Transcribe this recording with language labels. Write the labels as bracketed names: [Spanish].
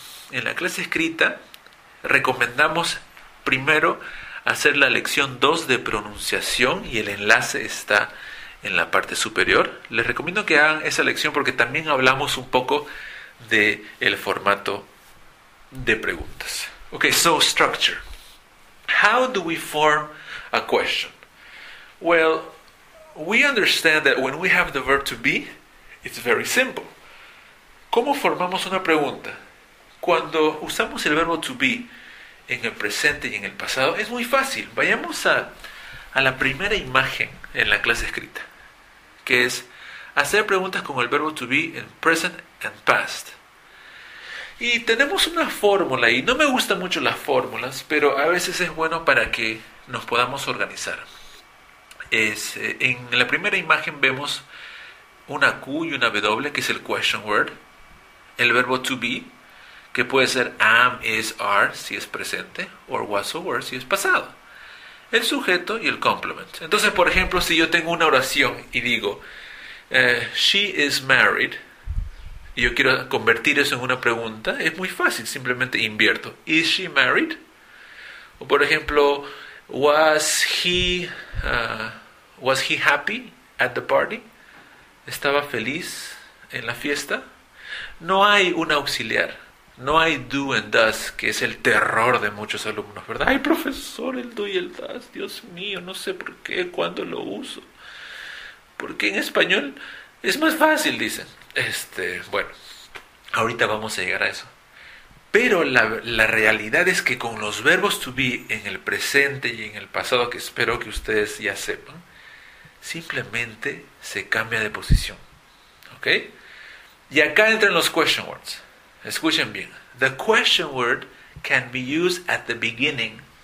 [Spanish] En la clase escrita recomendamos primero hacer la lección 2 de pronunciación y el enlace está en la parte superior. Les recomiendo que hagan esa lección porque también hablamos un poco del formato de preguntas. [English] Ok, so structure. How do we form a question? Well, we understand that when we have the verb to be, it's very simple. [Spanish] ¿Cómo formamos una pregunta? Cuando usamos el verbo to be en el presente y en el pasado, es muy fácil. Vayamos a la primera imagen en la clase escrita, que es hacer preguntas con el verbo to be en [English] present and past. [Spanish] Y tenemos una fórmula, y no me gustan mucho las fórmulas, pero a veces es bueno para que nos podamos organizar. En la primera imagen vemos una Q y una W, que es el question word. El verbo to be, que puede ser am, is, are, si es presente, [English] or was over, [Spanish] si es pasado. El sujeto y el complement. Entonces, por ejemplo, si yo tengo una oración y digo, [English] she is married, [Spanish] y yo quiero convertir eso en una pregunta, es muy fácil, simplemente invierto. [English] Is she married? [Spanish] O por ejemplo, [English] was he happy at the party? [Spanish] ¿Estaba feliz en la fiesta? No hay un auxiliar. No hay do and does, que es el terror de muchos alumnos, ¿verdad? Ay, profesor, el do y el does, Dios mío, no sé por qué, cuándo lo uso. Porque en español es más fácil, dicen. Bueno, ahorita vamos a llegar a eso. Pero la realidad es que con los verbos to be en el presente y en el pasado, que espero que ustedes ya sepan, simplemente se cambia de posición. ¿Ok? Y acá entran los question words. Escuchen bien. [English] The question word can be used at the beginning.